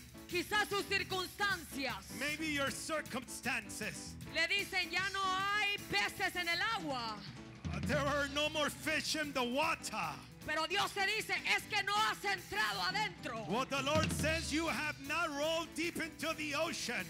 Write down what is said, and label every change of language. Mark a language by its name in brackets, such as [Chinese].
[Spanish] Quizás sus circunstancias. [English] Maybe your circumstances. [Spanish] Le dicen ya no hay peces en el agua. [English] There are no more fish in the water. [Spanish] Pero Dios te dice, es que no has entrado adentro. [English] What the Lord says, you have not rolled deep into the ocean.